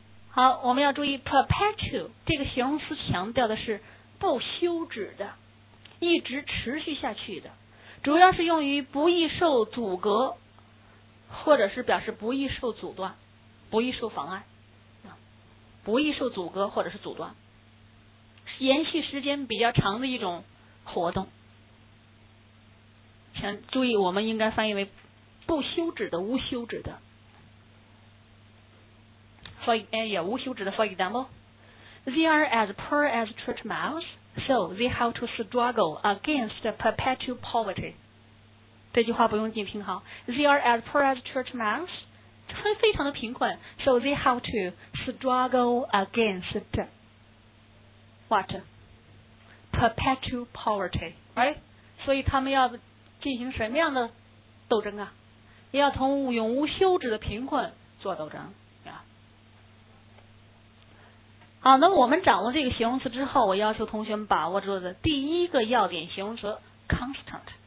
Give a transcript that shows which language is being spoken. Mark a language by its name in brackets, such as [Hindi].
[Chinese] 好，我们要注意 perpetual 这个形容词强调的是不休止的，一直持续下去的，主要是用于不易受阻隔，或者是表示不易受阻断，不易受妨碍，不易受阻隔或者是阻断，延续时间比较长的一种活动。请注意，我们应该翻译为不休止的、无休止的。无休止的 [English] for example, they are as poor as church mouse, so they have to struggle against perpetual poverty. [Chinese] 这句话不用静听好。 [English] They are as poor as church mouse, [Chinese] 非常的贫困 [English] so they have to struggle against what? Perpetual poverty, right? [Chinese] 所以他们要进行什么样的斗争啊？也要从永无休止的贫困做斗争。好，那么我们掌握这个形容词之后，我要求同学们把握住的第一个要点形容词 constant。